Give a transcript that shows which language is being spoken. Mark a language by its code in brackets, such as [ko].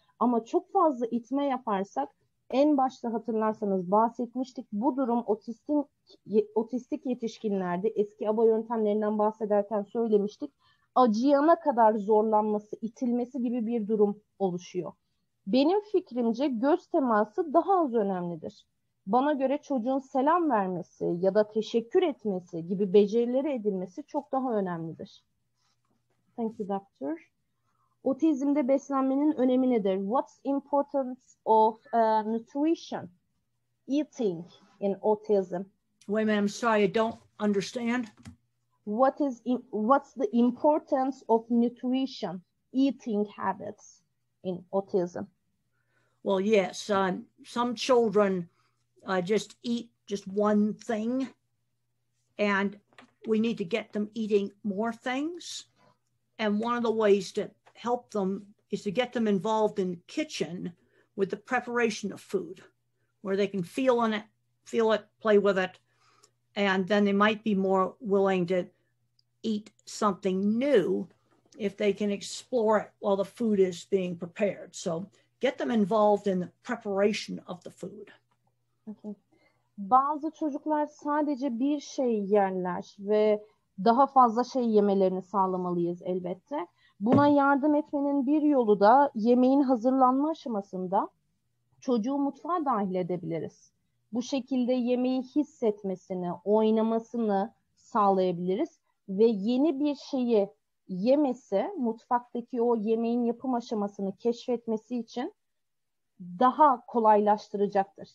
[tr] Ama çok fazla itme yaparsak, en başta hatırlarsanız bahsetmiştik, bu durum otistik yetişkinlerde, eski ABA yöntemlerinden bahsederken söylemiştik, acıyana kadar zorlanması, itilmesi gibi bir durum oluşuyor. Benim fikrimce göz teması daha az önemlidir. Bana göre çocuğun selam vermesi ya da teşekkür etmesi gibi becerileri edinmesi çok daha önemlidir. [en] Thank you, doctor. [tr] Otizmde beslenmenin önemi nedir? [en] What's the importance of nutrition, eating in autism? Wait a minute, I'm sorry, I don't understand. What's the importance of nutrition, eating habits in autism? Well, yes, some children just eat just one thing, and we need to get them eating more things. And one of the ways to help them is to get them involved in the kitchen with the preparation of food, where they can feel it, play with it, and then they might be more willing to eat something new if they can explore it while the food is being prepared. So get them involved in the preparation of the food. [tr] Bazı çocuklar sadece bir şey yerler ve daha fazla şey yemelerini sağlamalıyız elbette. Buna yardım etmenin bir yolu da yemeğin hazırlanma aşamasında çocuğu mutfağa dahil edebiliriz. Bu şekilde yemeği hissetmesini, oynamasını sağlayabiliriz ve yeni bir şeyi yemesi, mutfaktaki o yemeğin yapım aşamasını keşfetmesi için daha kolaylaştıracaktır.